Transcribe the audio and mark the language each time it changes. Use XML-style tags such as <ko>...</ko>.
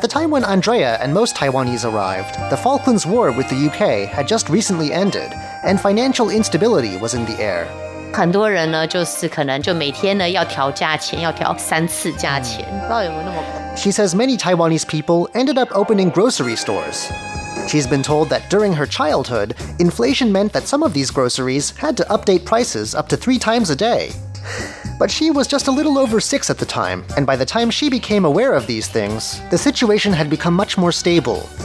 <en>the time when Andrea and most Taiwanese arrived, the Falklands War with the UK had just recently ended, and financial instability was in the air.</en> <zh>很多人呢，就是可能就每天呢要调价钱，要调3次价钱，不知道有没有那么。</zh> <en>She says many Taiwanese people ended up opening grocery stores. She's been told that during her childhood, inflation meant that some of these groceries had to update prices up to 3 times a day. But she was just a little over 6 at the time, and by the time she became aware of these things, the situation had become much more stable.</en>